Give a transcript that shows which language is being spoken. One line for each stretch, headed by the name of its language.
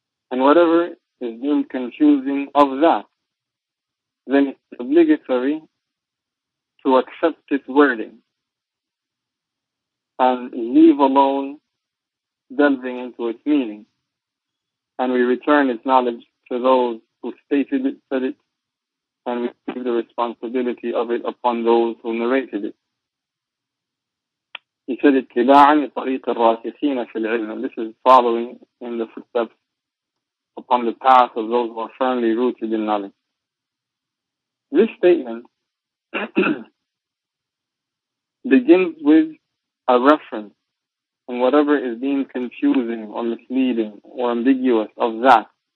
English: And whatever is deemed confusing of that, then it's obligatory to accept its wording and leave alone delving into its meaning. And we return its knowledge to those who stated it, said it, and we give the responsibility of it upon those who narrated it. He said,
Arabic: اتباعاً طريق الراسخين في العلم.
English: This is following in the footsteps upon the path of those who are firmly rooted in knowledge. This statement begins with a reference on whatever is deemed confusing or misleading or ambiguous of that.